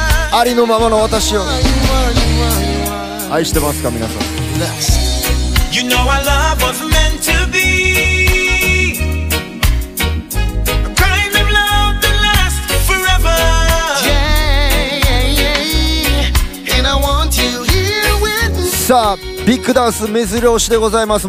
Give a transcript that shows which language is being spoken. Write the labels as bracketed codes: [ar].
[ja] ありのままの私を愛してますか皆さん。 [en] You know our love was meant to be a kind of love that lasts forever. Yeah, yeah, yeah. And I want you here with me. [ja] さあ、ビッグダンス目白押しでございます。